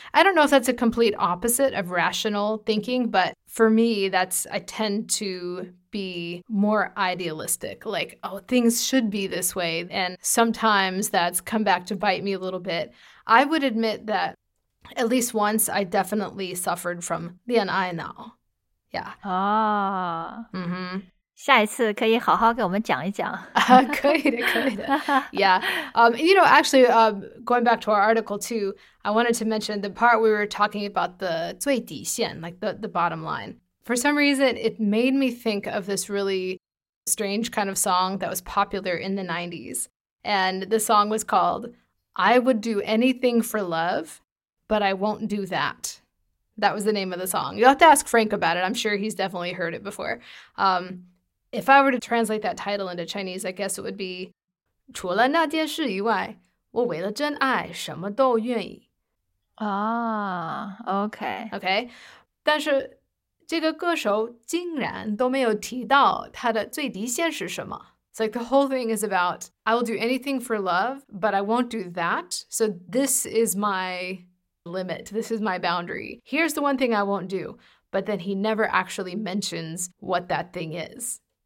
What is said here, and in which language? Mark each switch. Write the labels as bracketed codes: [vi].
[en] I don't know if that's a complete opposite of rational thinking, but for me, I tend to be more idealistic. Like, things should be this way. And sometimes that's come back to bite me a little bit. I would admit that at least once I definitely suffered from 恋爱脑. Yeah. Ah. Oh. Mm-hmm. [zh] 下一次可以好好给我们讲一讲. 可以的, 可以的. [en] Yeah. You know, actually, going back to our article too, I wanted to mention the part we were talking about the 最底线, like the bottom line. For some reason, it made me think of this really strange kind of song that was popular in the 90s. And the song was called, I Would Do Anything for Love, But I Won't Do That. That was the name of the song. You'll have to ask Frank about it. I'm sure he's definitely heard it before. If I were to translate that title into Chinese, I guess it would be [zh] 除了那件事以外,我为了真爱什么都愿意. [en] Okay. Okay. [zh] 但是这个歌手竟然都没有提到他的最低限是什么. [en] It's like the whole thing is about, I will do anything for love, but I won't do that. So this is my limit. This is my boundary. Here's the one thing I won't do. But then he never actually mentions what that thing is.